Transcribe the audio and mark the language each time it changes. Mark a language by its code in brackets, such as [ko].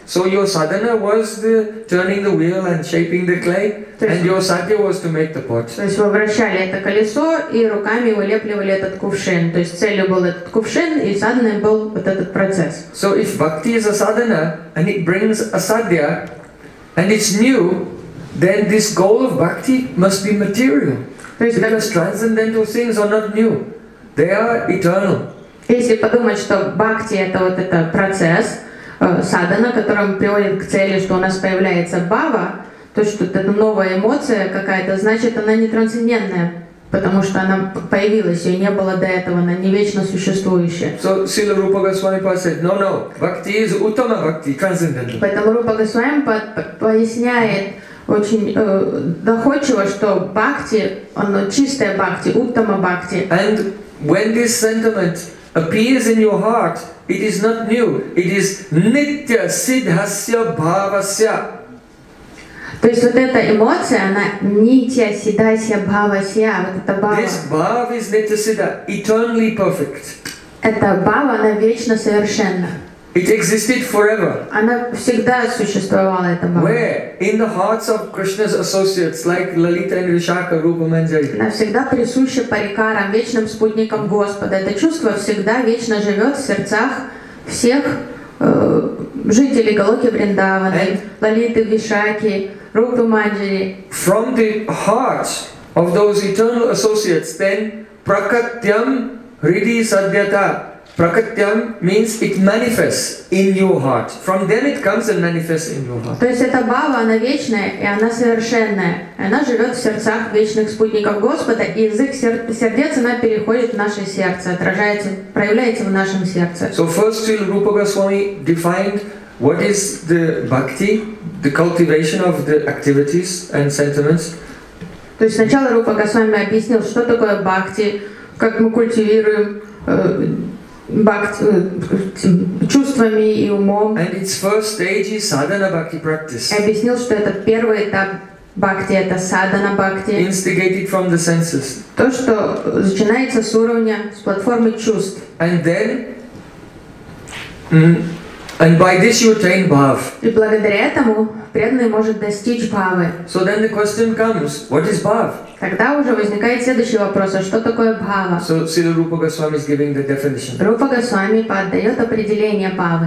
[en] So your sadhana was the turning the wheel and shaping the clay, and your satya was to make the pot. [ru] То есть вы вращали это колесо и руками вылепливали этот кувшин. То есть целью был этот кувшин, и садханой был вот этот процесс. [en] So if bhakti is a sadhana and it brings a sadhya and it's new, then this goal of bhakti must be material. Because transcendental things are not new; they are eternal. [ru] Если подумать, что бхакти это вот это процесс. Садхана, которым приводит к цели, что у нас появляется бхава, то что это новая эмоция какая-то, значит она не трансцендентная, потому что она появилась, ее не было до этого, она не вечно существующая. [en] So Srila Rupa Goswamipa said, no, no, bhakti is uttama bhakti, transcendental. [ru] Поэтому Рупа Госвамипа поясняет очень доходчиво, что бхакти, оно чистая бхакти, уттама бхакти. [en] And when this sentiment appears in your heart, it is not new. It is [sa] nitya siddhasya bhavasya. [ru] То есть вот эта эмоция, она [sa] нитья сиддхасья бхавасья, [ru] вот это бхава. [en] This bhava is nitya siddha, eternally perfect. [ru] Это бхава, она вечно совершенна. [en] It existed forever. [ru] Она всегда существовала, эта бхава. [en] Where? In the hearts of Krishna's associates, like Lalita and Vishakha, Rupa Manjari. [ru] Она всегда присуща парикарам, вечным спутникам Господа. Это чувство всегда вечно живет в сердцах всех жителей Галоки Вриндаваны, Лалиты, Вишакхи, Рупы Манджари. [en] From the hearts of those eternal associates, then [sa] prakatyam hridi sadhyata. [en] Prakatyam means it manifests in your heart. From then it comes and manifests in your heart. [ru] То есть эта бхава, она вечная и она совершенная. Она живет в сердцах вечных спутников Господа, и из их сердец она переходит в наше сердце, отражается, проявляется в нашем сердце. [en] So first Srila Rupa Goswami defined what is the bhakti, the cultivation of the activities and sentiments. [ru] То есть сначала Рупа Госвами объяснил, что такое бхакти, как мы культивируем бхакти, чувствами и умом. [en] And its first stage is sadhana bhakti practice. [ru] И объяснил, что это первый этап бхакти, это садхана бхакти. [en] Instigated from the senses. [ru] То, что начинается с уровня, с платформы чувств. [en] And then, and by this you attain bhav. [ru] И благодаря этому преданный может достичь бхавы. [en] So then the question comes, what is bhav? [ru] Тогда уже возникает следующий вопрос, а что такое бхава? [en] So Srila Rupa Goswami is giving the definition. [ru] Рупа Госвами поддает определение бхавы.